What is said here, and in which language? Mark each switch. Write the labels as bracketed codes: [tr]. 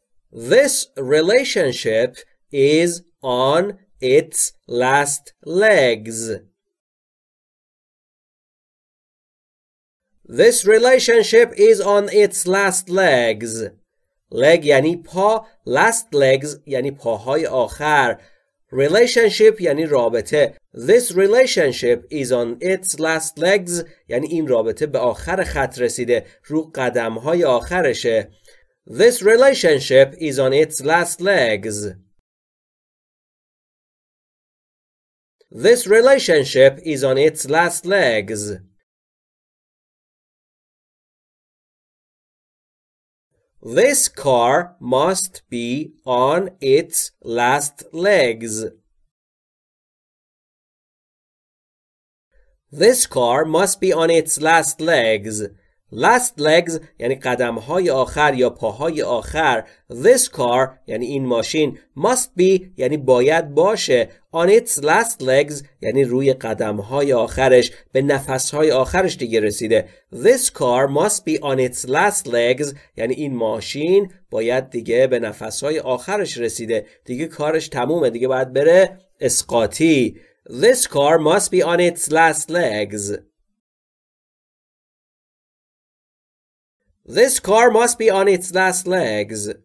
[en] This relationship is on its last legs. This relationship is on its last legs. [fa] Leg یعنی پا, last legs یعنی پاهای آخر. Relationship یعنی رابطه. [en] This relationship is on its last legs [fa] یعنی این رابطه به آخر خط رسیده. رو قدمهای آخرشه. [en] This relationship is on its last legs. This relationship is on its last legs. This car must be on its last legs. This car must be on its last legs. [fa] Last legs یعنی قدم های آخر یا پاهای آخر. [en] This car [fa] یعنی این ماشین [en] must be [fa] یعنی باید باشه. [en] On its last legs [fa] یعنی روی قدم های آخرش، به نفس های آخرش دیگه رسیده. [en] This car must be on its last legs [fa] یعنی این ماشین باید دیگه به نفس های آخرش رسیده، دیگه کارش تمومه، دیگه باید بره اسقاطی. [en] This car must be on its last legs. This car must be on its last legs.